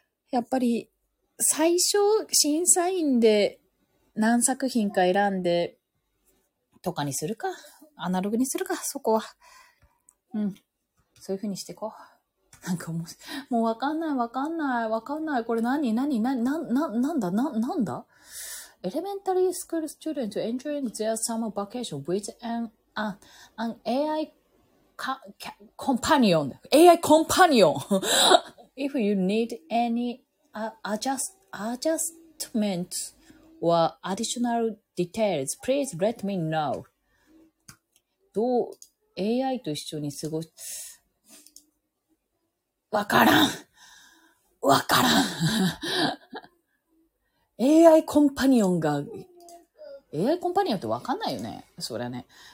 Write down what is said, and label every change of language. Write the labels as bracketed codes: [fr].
[ja] やっぱり最初審査員で何作品か選んでとかにするか、アナログにするか、そこは。うん。そういう風にしていこう。なんかもうわかんない、わかんない、わかんない。これ何、何、何、なんだ、なんだ？ [en] エレメンタリースクールスチューデント enjoying their summer vacation with an AI companion. AI companion! If you need any adjustments or additional details, please let me know. [ja] どう AI と一緒に過ごす？わからん。わからん。 AI コンパニオンが、AI コンパニオンってわかんないよね。そりゃね。